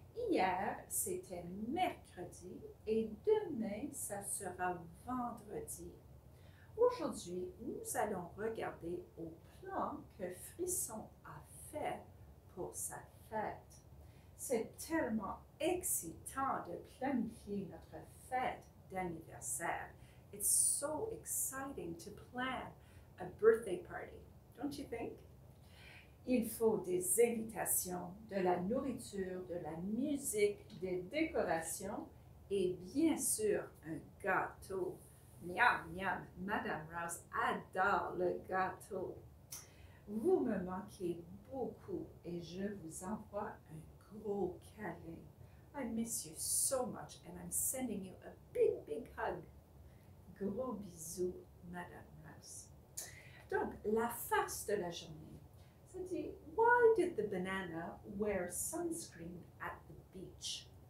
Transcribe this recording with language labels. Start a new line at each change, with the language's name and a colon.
French: Hier c'était mercredi et demain ça sera vendredi. Aujourd'hui nous allons regarder au plan que Frisson a fait pour sa fête. C'est tellement excitant de planifier notre fête d'anniversaire.
English: It's so exciting to plan a birthday party, don't you think?
French: Il faut des invitations, de la nourriture, de la musique, des décorations et bien sûr un gâteau. Miam, miam, Madame Rouse adore le gâteau. Vous me manquez beaucoup et je vous envoie un gros câlin.
English: I miss you so much and I'm sending you a big, big hug.
French: Gros bisous, Madame Rouse. Donc, la farce de la journée. Ça dit,
English: why did the banana wear sunscreen at the beach?